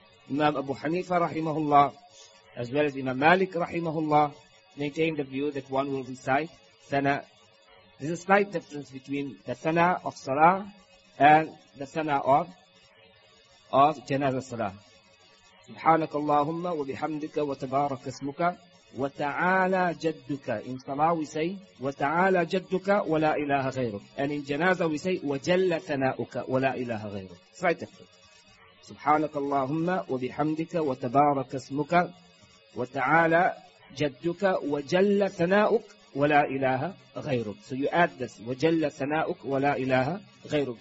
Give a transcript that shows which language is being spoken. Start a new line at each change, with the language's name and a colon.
English: Imam Abu Hanifa, rahimahullah, as well as Imam Malik, rahimahullah, maintain the view that one will recite thana. There's a slight difference between the thana of salah and the thana of janazah salah.
Arabic: سبحانك اللهم وبحمدك وتبارك اسمك وتعالى جدك.
English: In salah we say
Arabic: وتعالى جدك ولا إله غيرك.
English: And in janazah we say
Arabic: وجل ثناؤك ولا إله غيرك.
English: Slight effort.
Arabic: سبحانك اللهم وبحمدك وتبارك اسمك وتعالى جدك وجل ثناؤك ولا إله غيرك.
English: So you add this
Arabic: وجل ثناؤك ولا إله غيرك.